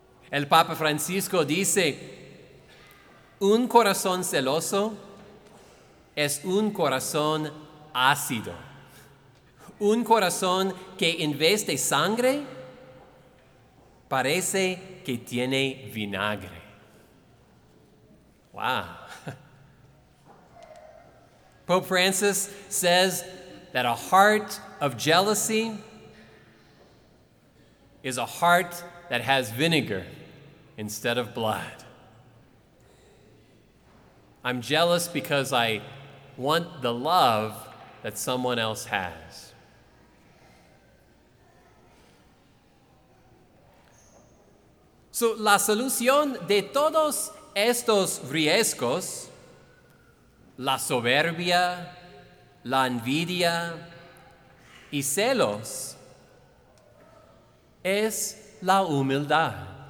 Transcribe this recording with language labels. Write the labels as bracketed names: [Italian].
[Spanish] El Papa Francisco dice, un corazón celoso es un corazón ácido. Un corazón que en vez de sangre, parece que tiene vinagre. Wow. [English] Pope Francis says that a heart of jealousy is a heart that has vinegar instead of blood. I'm jealous because I want the love that someone else has. [Spanish] So, la solución de todos estos riesgos, la soberbia, la envidia y celos, es la humildad.